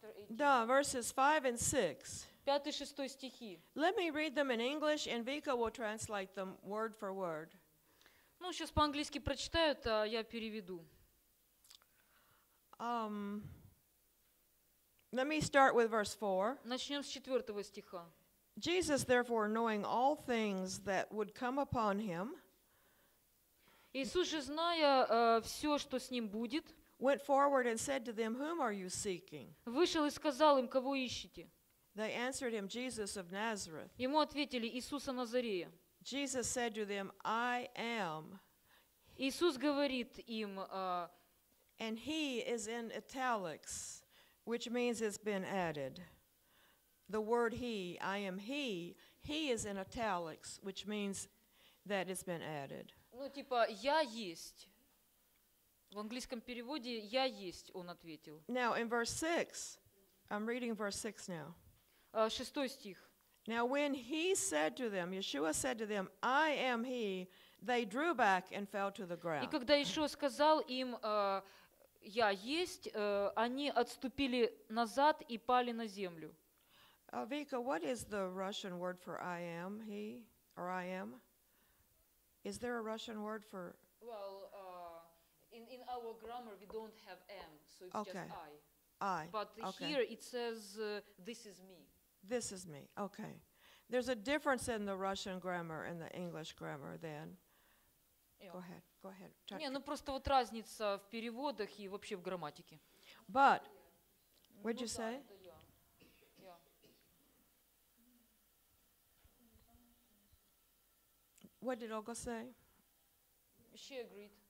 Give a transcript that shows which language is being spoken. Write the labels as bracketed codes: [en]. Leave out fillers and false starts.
[ru] Да, [en] verses 5 and 6. [ru] Пятый, шестой стихи. [en] Let me read them in English, and Vika will translate them word for word. [ru] Ну, сейчас по-английски прочитают, а я переведу. [en] Let me start with verse 4. [ru] Начнем с четвертого стиха. [en] Jesus, therefore, knowing all things that would come upon him, [ru] Иисус же зная все, что с ним будет, [en] went forward and said to them, "Whom are you seeking?" [ru] Вышел и сказал им, кого ищете? [en] They answered him, "Jesus of Nazareth." [ru] Ему ответили, Иисуса Назарея. [en] Jesus said to them, "I am." [ru] Иисус говорит им, [en] and he is in italics, which means it's been added. The word he, I am he is in italics, which means that it's been added. [ru] Ну, типа, я есть. В английском переводе «я есть», он ответил. [en] Now in verse 6, I'm reading verse 6 now. [ru] Шестой стих. [en] Now when he said to them, Yeshua said to them, I am he, they drew back and fell to the ground. [ru] И когда Иешуа сказал им «я есть», они отступили назад и пали на землю. [en] Вика, what is the Russian word for I am, he, or I am? Is there a Russian word for... Well, in our grammar we don't have am, so it's okay. Just I. I, but okay. Here it says this is me. This is me, okay. There's a difference in the Russian grammar and the English grammar then. Yeah. Go ahead. [ru] Не, ну просто вот разница в переводах и вообще в грамматике. [en] But, what'd you say? What did Olga say? She agreed.